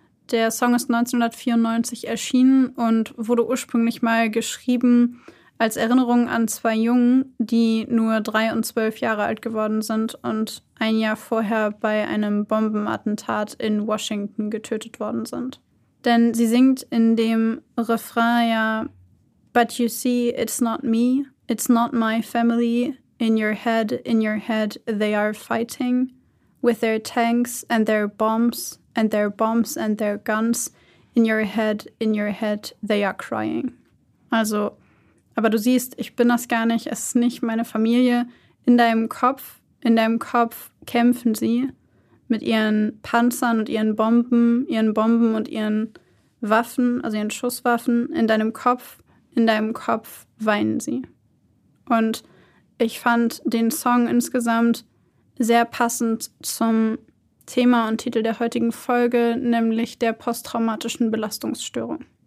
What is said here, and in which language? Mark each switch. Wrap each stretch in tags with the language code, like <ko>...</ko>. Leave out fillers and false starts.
<de>Der Song ist 1994 erschienen und wurde ursprünglich mal geschrieben als Erinnerung an zwei Jungen, die nur 3 und 12 Jahre alt geworden sind und ein Jahr vorher bei einem Bombenattentat in Washington getötet worden sind. Denn sie singt in dem Refrain ja</de> <en>"But you see, it's not me, it's not my family. In your head, they are fighting with their tanks and their bombs. And their bombs and their guns, in your head, they are crying."</en> <de>Also, aber du siehst, ich bin das gar nicht, es ist nicht meine Familie. In deinem Kopf kämpfen sie mit ihren Panzern und ihren Bomben und ihren Waffen, also ihren Schusswaffen. In deinem Kopf weinen sie. Und ich fand den Song insgesamt sehr passend zum Thema und Titel der heutigen Folge, nämlich der posttraumatischen Belastungsstörung.</de>